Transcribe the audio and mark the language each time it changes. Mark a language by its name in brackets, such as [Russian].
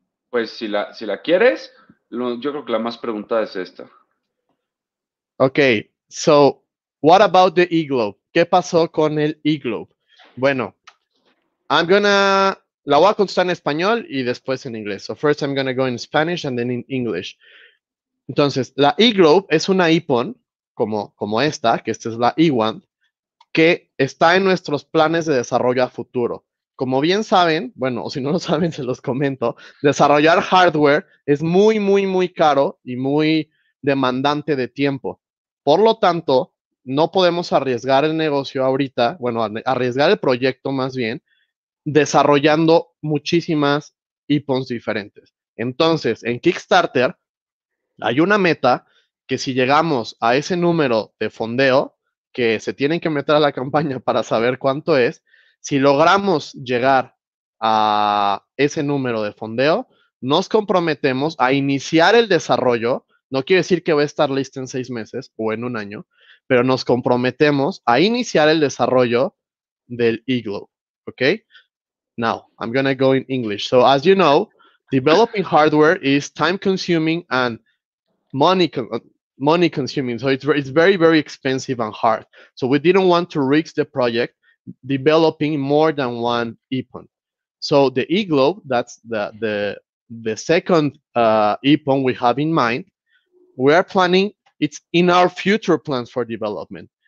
[Spanish] Pues si la quieres, yo creo que la más preguntada es esta. [English] Ok, so, what about the e-globe? [Spanish] ¿Qué pasó con el e-globe? Bueno, la voy a contestar en español y después en inglés. [English] So, first I'm going to go in Spanish and then in English. [Spanish] Entonces, la e-globe es una ipon como esta, que esta es la E-Wand, que está en nuestros planes de desarrollo a futuro. Como bien saben, bueno, o si no lo saben, se los comento, desarrollar hardware es muy, muy, muy caro y muy demandante de tiempo. Por lo tanto, no podemos arriesgar el negocio ahorita, bueno, arriesgar el proyecto más bien, desarrollando muchísimas IPONs diferentes. Entonces, en Kickstarter hay una meta que si llegamos a ese número de fondeo, que se tienen que meter a la campaña para saber cuánto es, si logramos llegar a ese número de fondeo, nos comprometemos a iniciar el desarrollo. No quiere decir que va a estar lista en 6 meses o en un año, pero nos comprometemos a iniciar el desarrollo del Igloo, ¿ok? [English] Now, I'm going to go in English. So, as you know, developing hardware is time-consuming and money-consuming. So, it's very, very expensive and hard. So, we didn't want to risk the project developing more than one EPON. So, the e-globe, that's the second EPON we have in mind, we are planning, it's in our future plans for development.